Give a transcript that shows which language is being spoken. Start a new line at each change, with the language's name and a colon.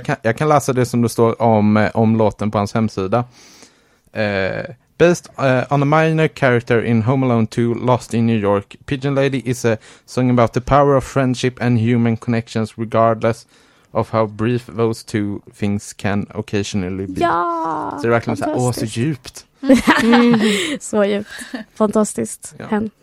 Swedish: Jag kan läsa det som det står om låten på hans hemsida.
English: Based on a minor character in Home Alone 2, Lost in New York, Pigeon Lady is a song about the power of friendship and human connections regardless of how brief those two things can occasionally be.
Swedish: Ja, så det är verkligen så här, åh, så djupt. Så djupt. Fantastiskt. Ja.